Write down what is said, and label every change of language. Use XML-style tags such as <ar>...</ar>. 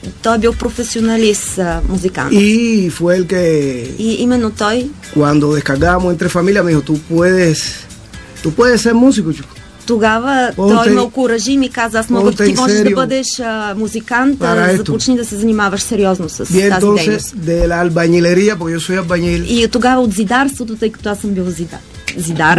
<bg>Той бил професионалист, музикант.</bg> <es>И fue el que</es> <bg>и именно той,</bg> <es>cuando descargábamos entre familia, me dijo, tú puedes ser músico, chico.</es> <bg>Тогава той ме окуражи и ми каза, аз мога, ти можеш да бъдеш музикант, започни да се занимаваш сериозно с тази дейност.</bg> <es>De la albañilería, porque yo soy albañil.</es> <bg>И тогава от зидарството, тъй като аз съм бил зидар.</bg>